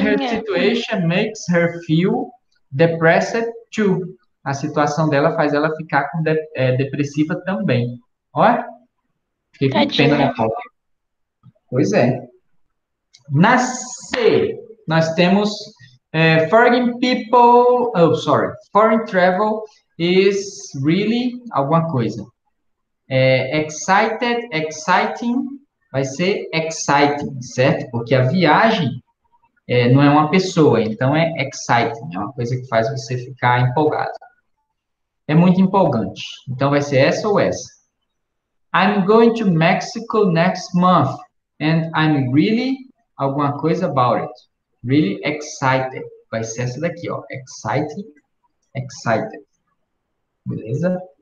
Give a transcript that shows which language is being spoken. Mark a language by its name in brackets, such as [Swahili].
[English] And her situation makes her feel depressed too. [Portuguese] A situação dela faz ela ficar com depressiva também. Ó, fiquei com pena na foto. Pois é. Nascer. Nós temos [English] foreign people, oh, sorry, foreign travel is really [Portuguese] alguma coisa. Excited, exciting, vai ser exciting, certo? Porque a viagem não é uma pessoa, então é exciting, é uma coisa que faz você ficar empolgado. É muito empolgante, então vai ser essa ou essa. [English] I'm going to Mexico next month and I'm really [Portuguese] alguma coisa [English] about it. Really excited. [Portuguese] Vai ser essa daqui, ó. Exciting, excited. Beleza?